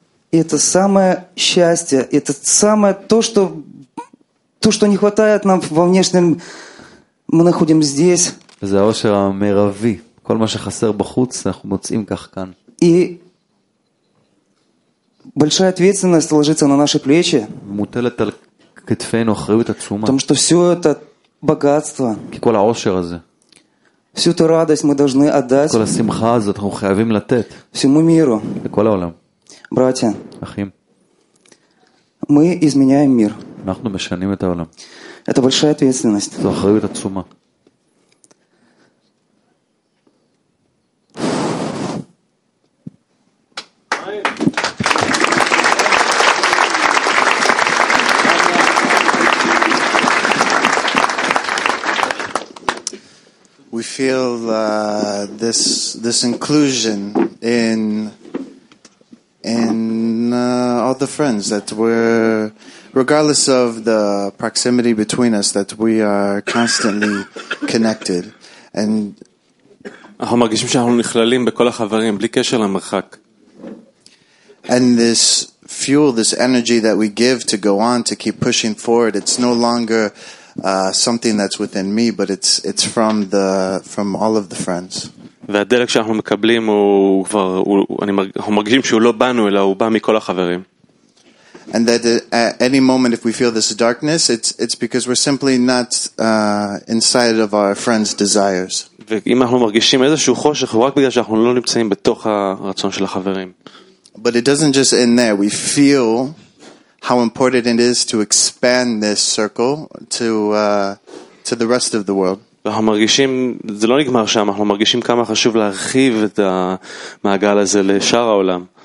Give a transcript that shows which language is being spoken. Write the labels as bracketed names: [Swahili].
[Russian] И это самое счастье, это самое то, что не хватает нам во внешнем, мы находим здесь. [Hebrew] זה האושר המרבי. כל מה שחסר בחוץ, אנחנו מוצאים כך כאן. [Russian] И большая ответственность ложится на наши плечи. [Hebrew] מוטלת על כתפינו אחריות עצומה. [Russian] Потому что все это богатство. [Hebrew] כי כל האושר הזה. [Russian] Всю ту радость мы должны отдать. [Hebrew] כל השמחה הזאת אנחנו חייבים לתת. [Russian] Всему миру. [Hebrew] לכל העולם. [Russian] Братья. [Hebrew] אחים. [Russian] Мы изменяем мир. [Hebrew] אנחנו משנים את העולם. [Russian] Это большая ответственность. [Hebrew] זו אחריות עצומה. [English] We feel this inclusion in all the friends that we're, regardless of the proximity between us, that we are constantly connected. And [Hebrew] אנחנו מרגישים שאנחנו נכללים בכל החברים בלי קשר למרחק. [English] And this fuel, this energy that we give to go on, to keep pushing forward, it's no longer something that's within me, but it's from all of the friends. [Hebrew] והדלק שאנחנו מקבלים הוא כבר, אנחנו מרגישים שהוא לא בנו אלא הוא בא מכל החברים. [English] And that at any moment if we feel this darkness, it's because we're simply not inside of our friends' desires. [Hebrew] ואם אנחנו מרגישים איזשהו חושך, רק בגלל שאנחנו לא נמצאים בתוך הרצון של החברים. [English] But it doesn't just end there. We feel how important it is to expand this circle to the rest of the world. [Hebrew] אנחנו מרגישים, זה לא נגמר שם, אנחנו מרגישים כמה חשוב להרחיב את המעגל הזה לשאר העולם.